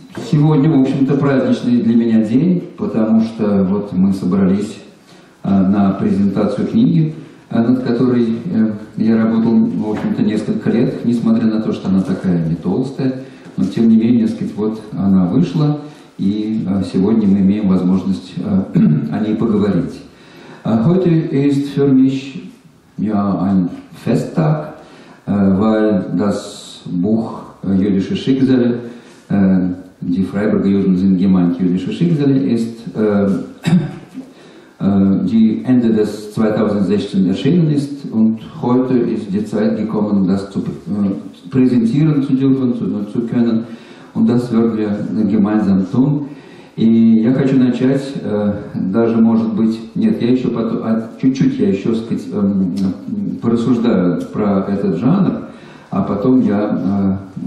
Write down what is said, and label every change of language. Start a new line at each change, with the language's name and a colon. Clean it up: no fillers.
Russian: Сегодня, в общем-то, праздничный для меня день, потому что вот мы собрались на презентацию книги, над которой я работал, в общем-то, несколько лет, несмотря на то, что она такая не толстая, но тем не менее, сказать, вот она вышла, и сегодня мы имеем возможность о ней поговорить.
German: Heute ist für mich ja ein Festtag, weil das Buch Jüdische Schicksale, die Freiburger Juden sind gemeint, Jüdische Schicksale, ist die Ende des 2016 erschienen ist und heute ist die Zeit gekommen, das zu präsentieren zu dürfen, zu können und das werden wir gemeinsam tun.
Russian: И я хочу начать, даже может быть, нет, я еще потом, чуть-чуть я еще, сказать, порассуждаю про этот жанр, а потом я